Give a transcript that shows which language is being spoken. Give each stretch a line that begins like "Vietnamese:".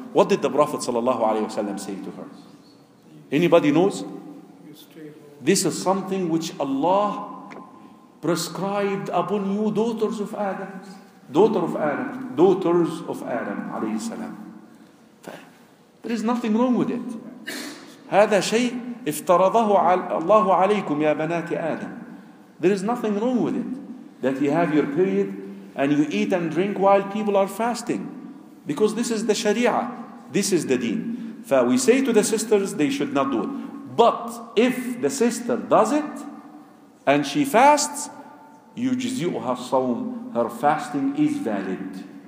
English: What did the Prophet sallallahu alaihi wasallam say to her? Anybody knows? This is something which Allah prescribed upon you, daughters of Adam. Daughters of Adam alayhi salam. There is nothing wrong with it.
Arabic: هذا شيء افترضه الله عليكم يا بنات آدم.
English: There is nothing wrong with it. That you have your period and you eat and drink while people are fasting. Because this is the sharia. This is the deen. We say to the sisters, they should not do it. But if the sister does it, and she fasts,
Arabic: يُجْزِئُهَا الصَّوْمُ,
English: her fasting is valid.